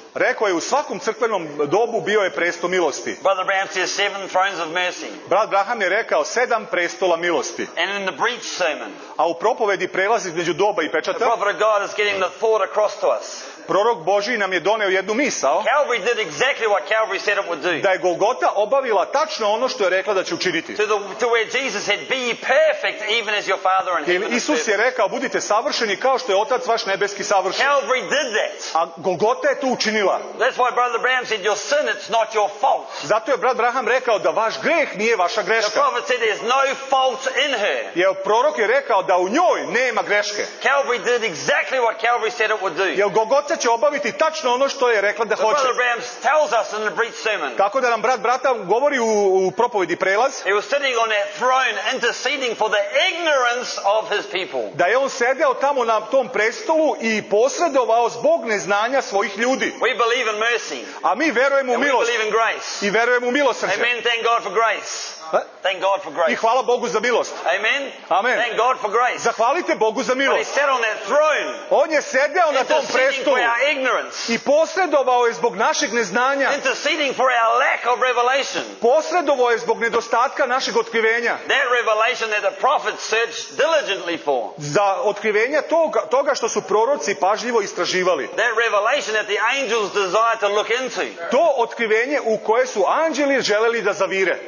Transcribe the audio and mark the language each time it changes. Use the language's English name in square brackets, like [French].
[Serbian] Rekao je u svakom crkvenom dobu bio je presto milosti. [English] Brother Branham said seven thrones of mercy. [Serbian] Brat Branham je rekao sedam prestola milosti. [English] And in the breach sermon. [Serbian] A u propovedi prelaz između doba i pečata. [English] The prophet of God is getting the thought across to us. [Serbian] Prorok Božji nam je doneo jednu misao. [English] Calvary did exactly what Calvary said it would do. [Serbian] Da je Golgota obavila tačno ono što je rekla da će učiniti. [English] To where Jesus said, be perfect even as your Father in heaven. [Serbian] Isus je rekao budite savršeni kao što je Otac vaš nebeski savršen. [English] Calvary did that. [Serbian] A Golgota je to učinila. [English] That's why Brother Branham said your sin it's not your fault. [Serbian] Zato je brat Branham rekao da vaš greh nije vaša greška. [English] The prophet said there's no fault in her. [Serbian] Jer prorok je rekao da u njoj nema greške. [English] Calvary did exactly what Calvary said it would do. [Serbian] Jer Golgota će obaviti tačno ono što je rekla da hoće. [English] Brother Branham tells us in the breach sermon. [Serbian] Tako da nam brat brata govori u propovedi prelaz. [English] He was sitting on that throne interceding for the ignorance of his people. [Serbian] Da je on sedeo tamo na tom prestolu i posredovao zbog neznanja svojih ljudi. [English] We believe in mercy. [Serbian] A mi verujemo u milost. [English] We believe in grace. [Serbian] I verujemo u milosrđe. [English] Amen, thank God for grace. Thank God for grace. [Serbian] I hvala Bogu za milost. [English] Amen. Amen. Thank God for grace. [Serbian] Zahvalite Bogu za milost. [English] But he sat on that throne. [Serbian] On je sedeo na tom prestolu. [English] Interceding for our ignorance. [Serbian] I posredovao je zbog našeg neznanja. [English] Interceding for our lack of revelation. [Serbian] Posredovao je zbog nedostatka našeg otkrivenja. [English] That revelation that the prophets searched diligently for. [Serbian] Za otkrivenja toga što su proroci pažljivo istraživali. [English] That revelation that the angels desire to look into. [Serbian] To otkrivenje u koje su anđeli želeli da zavire.